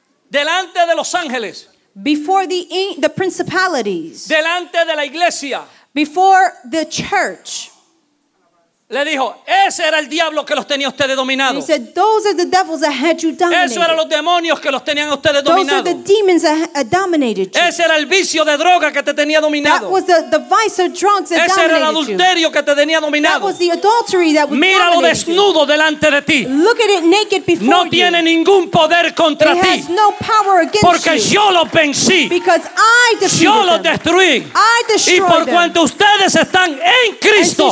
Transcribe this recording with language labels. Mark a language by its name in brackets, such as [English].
[Spanish] Delante de los ángeles. [English] Before the principalities. [Spanish] Delante de la iglesia. [English] Before the church. [Spanish] Le dijo, ese era el diablo que los tenía ustedes dominados. [English] He said, those are the devils that had you dominated. [Spanish] Eso eran los demonios que los tenían ustedes dominados. [English] Those are the demons that dominated you. [Spanish] Ese era el vicio de droga que te tenía dominado. [English] That was the vice of drugs that dominated you. [Spanish] Ese era el adulterio que te tenía dominado. [English] That was the adultery that would dominate you. [Spanish] Míralo desnudo delante de ti. [English] Look at it naked before you. [Spanish] No tiene ningún poder contra ti. [English] It has no power against you. [Spanish] Porque yo lo vencí. [English] Because I defeated them. [Spanish] Yo lo destruí. [English] I destroyed them. [Spanish] Y por cuanto ustedes están en Cristo.